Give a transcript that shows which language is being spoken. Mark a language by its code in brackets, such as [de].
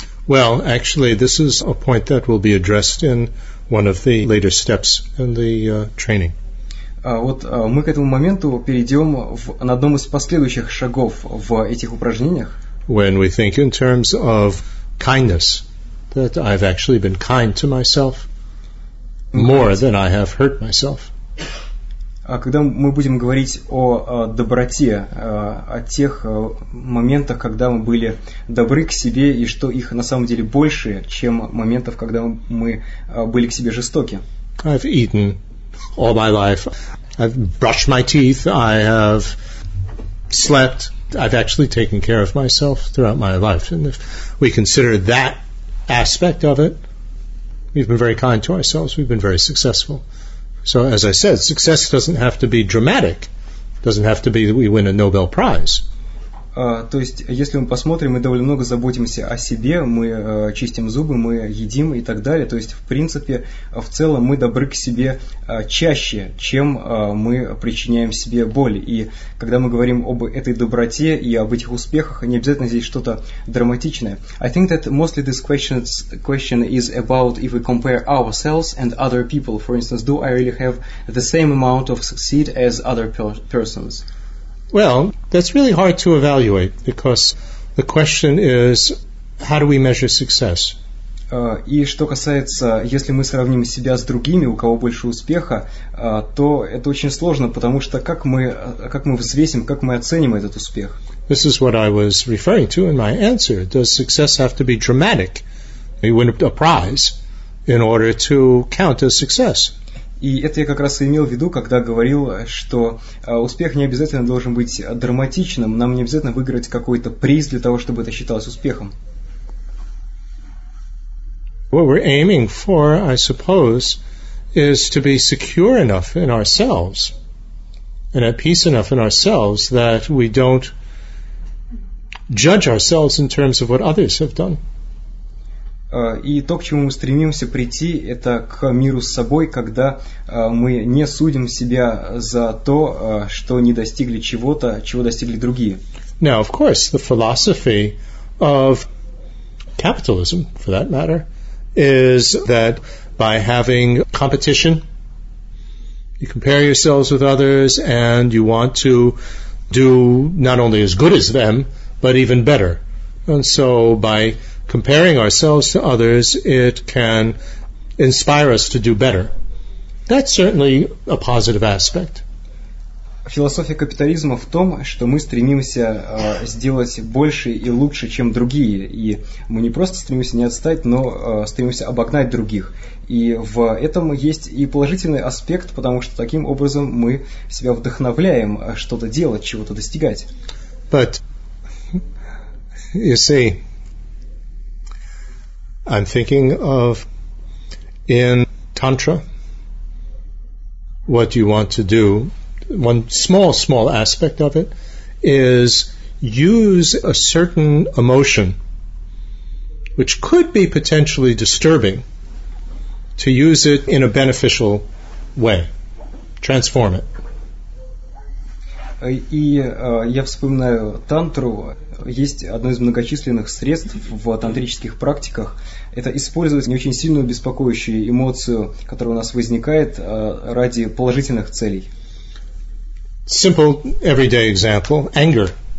[en] Well, actually, this is a point that will be addressed in one of the later steps in the training. [ru] Вот мы к этому моменту перейдем на одном из последующих шагов в этих упражнениях. [en] When we think in terms of kindness, that I've actually been kind to myself more than I have hurt myself. [ru] Когда мы будем говорить о доброте, о тех моментах, когда мы были добры к себе, и что их на самом деле больше, чем моментов, когда мы были к себе жестоки. [en] I've eaten all my life. I've brushed my teeth. I have slept. I've actually taken care of myself throughout my life. And if we consider that aspect of it, we've been very kind to ourselves. We've been very successful. So as I said, success doesn't have to be dramatic. It doesn't have to be that we win a Nobel Prize. [ru] То есть, если мы посмотрим, мы довольно много заботимся о себе, мы чистим зубы, мы едим и так далее. То есть, в принципе, в целом мы добры к себе чаще, чем мы причиняем себе боль. И когда мы говорим об этой доброте и об этих успехах, не обязательно здесь что-то драматичное. [en] I think that mostly this question is about if we compare ourselves and other people. For instance, do I really have the same amount of succeed as other persons? Well, that's really hard to evaluate because the question is, how do we measure success? [ru] И что касается, если мы сравним себя с другими, у кого больше успеха, то это очень сложно, потому что как мы взвесим, как мы оценим этот успех? [en] This is what I was referring to in my answer. Does success have to be dramatic? You win a prize in order to count as success. [ru] И это я как раз и имел в виду, когда говорил, что успех не обязательно должен быть драматичным, нам не обязательно выиграть какой-то приз для того, чтобы это считалось успехом. [en] What we're aiming for, I suppose, is to be secure enough in ourselves and at peace enough in ourselves that we don't judge ourselves in terms of what others have done. [ru] И то, к чему мы стремимся прийти, это к миру с собой, когда мы не судим себя за то, что не достигли чего-то, чего достигли другие. [en] Now, of course, the philosophy of capitalism, for that matter, is that by having competition, you compare yourselves with others, and you want to do not only as good as them, but even better. And so by comparing ourselves to others, it can inspire us to do better. That's certainly a positive aspect. [ru] Философия капитализма в том, что мы стремимся сделать больше и лучше, чем другие. И мы не просто стремимся не отстать, но стремимся обогнать других. И в этом есть и положительный аспект, потому что таким образом мы себя вдохновляем что-то делать, чего-то достигать. [en] But, you see, I'm thinking of in Tantra, what you want to do, one small, small aspect of it, is use a certain emotion, which could be potentially disturbing, to use it in a beneficial way, transform it. [ru] И я вспоминаю тантру. Есть одно из многочисленных средств в тантрических практиках. Это использовать не очень сильную беспокоящую эмоцию, которая у нас возникает, ради положительных целей. [en] Simple everyday example. Anger.